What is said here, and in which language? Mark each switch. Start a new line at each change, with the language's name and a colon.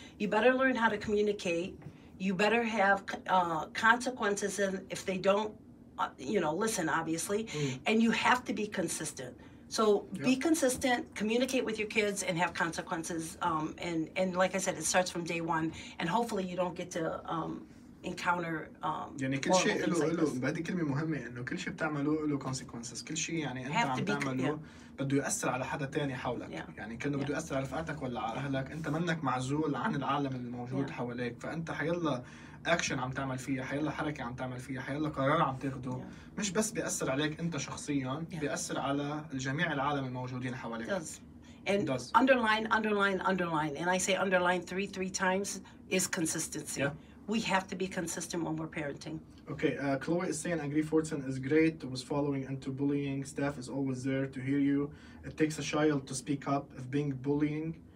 English: You better learn how to communicate. You better have consequences if they don't, you know, listen, obviously. And you have to be consistent. So be consistent, communicate with your kids, and have consequences. And like I said, it starts from day one. And hopefully you don't get to encounter
Arabic: يعني كل شيء له بهذه الكلمة مهمة, إنه كل شيء بتعمله له consequences. كل شيء يعني أنت عم تعمله بده يؤثر على حدا تاني حولك. يعني كأنه بده يؤثر على رفقاتك ولا على أهلك. أنت منك معزول عن العالم الموجود حواليك. فأنت حيلا أكشن عم تعمل فيها, حيلا حركة عم تعمل فيها, حيلا قرار عم تاخده, مش بس بيأثر عليك أنت شخصياً, بيأثر على الجميع العالم الموجودين حواليك.
English: Does. Underline, and I say underline three times is consistency. We have to be consistent when we're parenting. Okay, Chloe is saying Angry Fortson is great, was following into bullying. Staff is always there to hear you. It takes a child to speak up if being bullying.